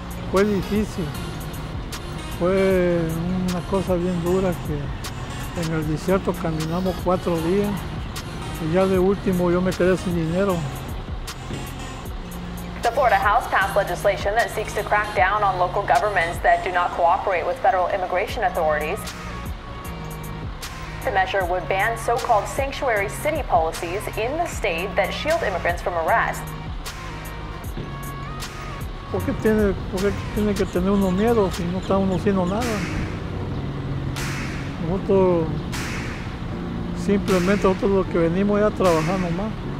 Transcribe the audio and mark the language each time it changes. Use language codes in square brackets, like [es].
[es] fue difícil. Fue una cosa bien dura que en el desierto caminamos 4 días y ya de último yo me quedé sin dinero. [en] The Florida House passed legislation that seeks to crack down on local governments that do not cooperate with federal immigration authorities. The measure would ban so-called sanctuary city policies in the state that shield immigrants from arrest. [es] ¿Por qué tiene que tener uno miedo si no está uno haciendo nada? Nosotros simplemente nosotros lo que venimos es a trabajar nomás.